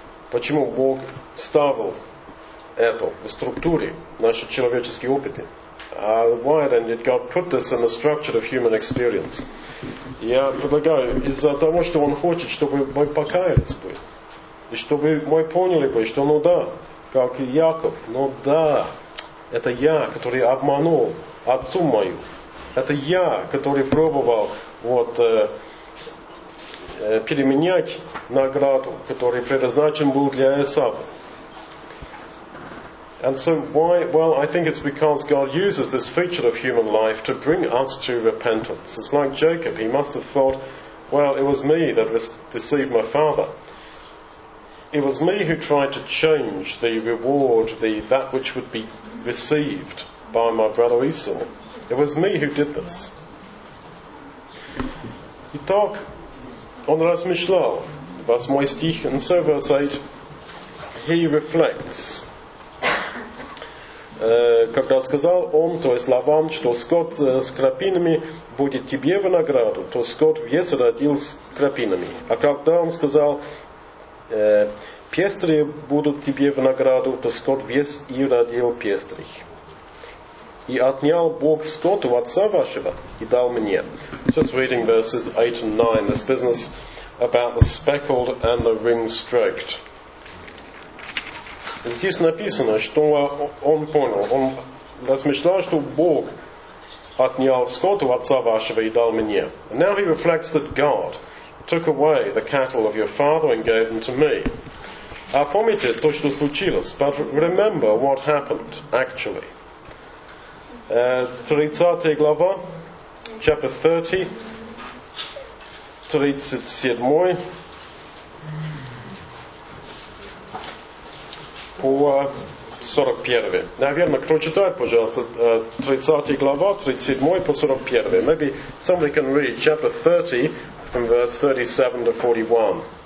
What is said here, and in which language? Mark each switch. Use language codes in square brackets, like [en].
[ru] Почему Бог ставил это в структуре нашей человеческой опыта? [en] Why then did God put this in the structure of human experience? [ru] Я предлагаю, из-за того, что Он хочет, чтобы мы покаялись бы. И чтобы мы поняли бы, что ну да, как Яков, ну да, это я, который обманул отцу мою. Это я, который пробовал вот переменять награду, которая предназначена была для Эсава. [en] And so why? Well, I think it's because God uses this feature of human life to bring us to repentance. It's like Jacob. He must have thought, well, it was me that deceived my father. It was me who tried to change the reward, that which would be received by my brother Esau. It was me who did this. [ru] Итак, он размышлял, 8 стих, [en] and so verse 8, he reflects. [ru] Когда сказал он, то есть Лаван, что скот с крапинами будет тебе в награду, то скот весь родил с крапинами. А когда он сказал, пестрые будут тебе в награду, то скот весь и родил пестрых. И отнял Бог скот у отца вашего и дал мне. [en] Just reading verses 8 and 9, this business about the speckled and the ring-streaked. [ru] Здесь написано, что он понял, он размышлял, что Бог отнял скот у отца вашего и дал мне. [en] And now he reflects that God took away the cattle of your father and gave them to me. [ru] А помните то, что случилось, [en] but remember what happened, actually. [ru] 30 глава, [en] chapter 30, [ru] 37. По 41. Наверное, кто читает, пожалуйста, 30 глава, 37 по 41. [en] Maybe somebody can read chapter 30 from verse 37 to 41.